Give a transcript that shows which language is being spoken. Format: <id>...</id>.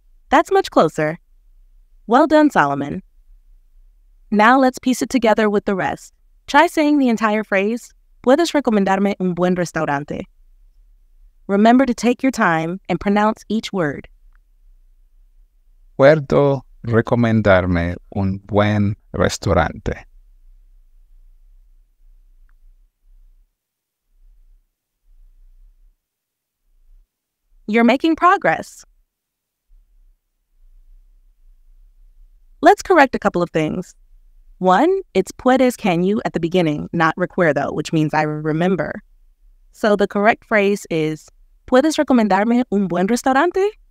<en>That's much closer. Well done, Solomon. Now let's piece it together with the rest. Try saying the entire phrase, ¿Puedes recomendarme un buen restaurante? Remember to take your time and pronounce each word.</en> <es>¿Puedo recomendarme un buen restaurante?</es> <en>You're making progress. Let's correct a couple of things. One, it's puedes, can you, at the beginning, not recuerdo, which means I remember. So the correct phrase is, ¿puedes recomendarme un buen restaurante?</en>